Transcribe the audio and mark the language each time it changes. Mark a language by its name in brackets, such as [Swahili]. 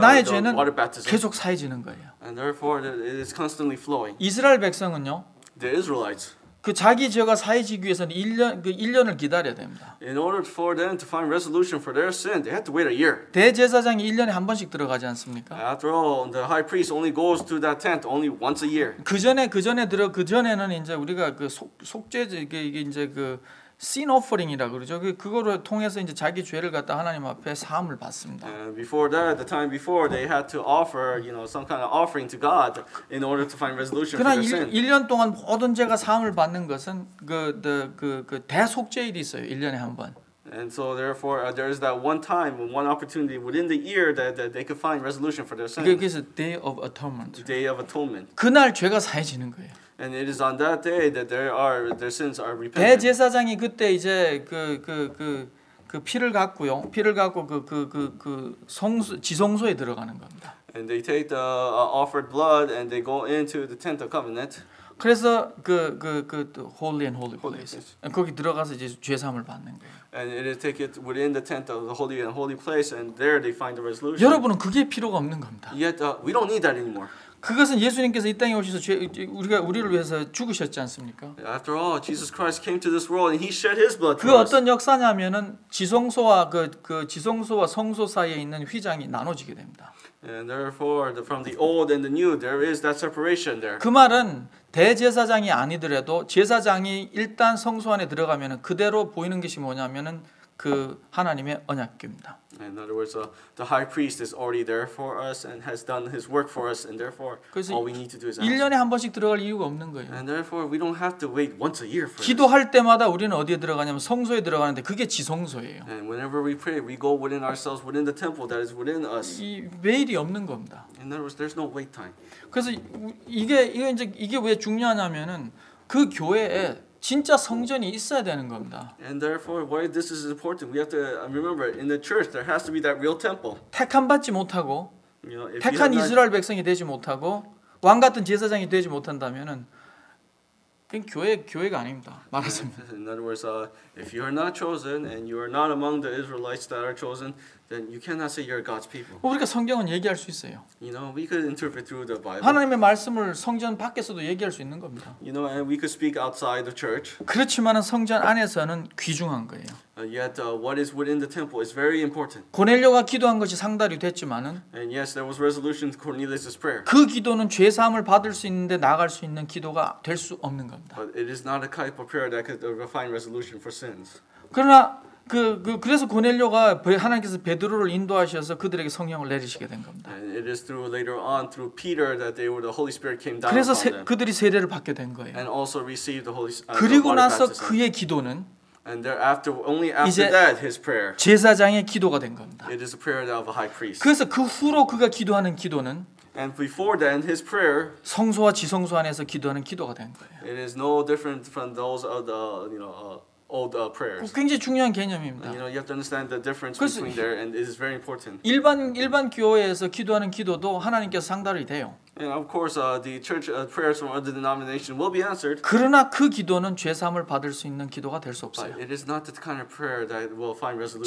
[Korean] 나의 죄는 계속 사해지는 거예요. [English] And therefore, it is constantly flowing. [Korean] 이스라엘 백성은요. [English] The Israelites. [Korean] 그 자기 죄가 사해지기 위해서는 1년을 기다려야 됩니다. [English] In order for them to find resolution for their sin, they had to wait a year. [Korean] 대제사장이 1년에 한 번씩 들어가지 않습니까? [English] After all, the high priest only goes to that tent only once a year. [Korean] 그 전에는 이제 우리가 그 속죄제 이게 이제 그 sin offering이라고 그러죠. 그거를 통해서 이제 자기 죄를 갖다 하나님 앞에 사함을 받습니다. [English] And before that, the time before, they had to offer, you know, some kind of offering to God in order to find resolution for their sin. [Korean] 그러나 1년 동안 모든 죄가 사함을 받는 것은 그 대속죄일이 있어요. 1년에 한 번. [English] And so therefore, there is that one time, one opportunity within the year that they could find resolution for their sin. [Korean] 그게 [English] is a Day of Atonement. Day of Atonement. [Korean] 그날 죄가 사해지는 거예요. [English] And it is on that day that their sins are repented. [Korean] 대제사장이 그때 이제 그 피를 갖고 그 성소 지성소에 들어가는 겁니다. [English] And they take the offered blood and they go into the tent of covenant. [Korean] 그래서 그 [English] holy and holy place. [Korean] 거기 들어가서 이제 죄 사함을 받는 거예요. [English] And it is taken within the tent of the holy and holy place, and there they find the resolution. [Korean] 여러분은 그게 필요가 없는 겁니다. [English] Yet we don't need that anymore. [Korean] 그것은 예수님께서 이 땅에 오셔서 죄, 우리를 위해서 죽으셨지 않습니까? [English] After all, Jesus Christ came to this world and He shed His blood. [Korean] 그 어떤 역사냐면은 지성소와 그 지성소와 성소 사이에 있는 휘장이 나눠지게 됩니다. [English] And therefore, from the old and the new, there is that separation there. [Korean] 그 말은 대제사장이 아니더라도 제사장이 일단 성소 안에 들어가면은 그대로 보이는 것이 뭐냐면은 그 하나님의 언약궤입니다. [English] In other words, the high priest is already there for us and has done his work for us, and therefore all we need to do is ask. [Korean] 1년에 한 번씩 들어갈 이유가 없는 거예요. [English] And therefore we don't have to wait once a year for. [Korean] 기도할 때마다 우리는 어디에 들어가냐면 성소에 들어가는데 그게 지성소예요. [English] And whenever we pray, we go within ourselves, within the temple that is within us. [Korean] 이 wait이 없는 겁니다. [English] In other words, there's no wait time. [Korean] 그래서 이게 왜 중요하냐면은 그 교회에 진짜 성전이 있어야 되는 겁니다. [English] And therefore, why this is important, we have to remember in the church there has to be that real temple. [Korean] 택함 받지 못하고, 택한 이스라엘 백성이 되지 못하고, 왕 같은 제사장이 되지 못한다면은 그 교회가 아닙니다. 말하자면. [English] In other words, if you are not chosen and you are not among the Israelites that are chosen, then you cannot say you're God's people. [Korean] 우리가 성경은 얘기할 수 있어요. [English] You know, we could interpret through the Bible. [Korean] 하나님의 말씀을 성전 밖에서도 얘기할 수 있는 겁니다. [English] You know, and we could speak outside the church. [Korean] 그렇지만은 성전 안에서는 귀중한 거예요. [English] Yet what is within the temple is very important. [Korean] 고넬료가 기도한 것이 상달이 됐지만은. [English] And yes, there was resolution to Cornelius's prayer. [Korean] 그 기도는 죄 사함을 받을 수 있는데 나갈 수 있는 기도가 될 수 없는 겁니다. [English] But it is not a type of prayer that could find resolution for sins. [Korean] 그러나 그래서 고넬료가 하나님께서 베드로를 인도하셔서 그들에게 성령을 내리시게 된 겁니다. [English] And it is through later on through Peter that they were the Holy Spirit came down. [Korean] 그래서 그들이 세례를 받게 된 거예요. [English] And also received the Holy Spirit. [Korean] 그리고 나서 그의 기도는. [English] And thereafter, only after that, his prayer. [Korean] 제사장의 기도가 된 겁니다. [English] It is a prayer of a high priest. [Korean] 그래서 그 후로 그가 기도하는 기도는. [English] And before then, his prayer. [Korean] 성소와 지성소 안에서 기도하는 기도가 된 거예요. [English] It is no different from those of the old prayers. [Korean] 굉장히 중요한 개념입니다. [English] You know, you have to understand the difference between there, and it is very important. [Korean] 일반 교회에서 기도하는 기도도 하나님께서 상달이 돼요. [English] And of course, the church prayers from other denominations will be answered. [Korean] 그러나 그 기도는 죄 사함을 받을 수 있는 기도가 될 수 없어요. [English] But it is not the kind of prayer that will find resolution.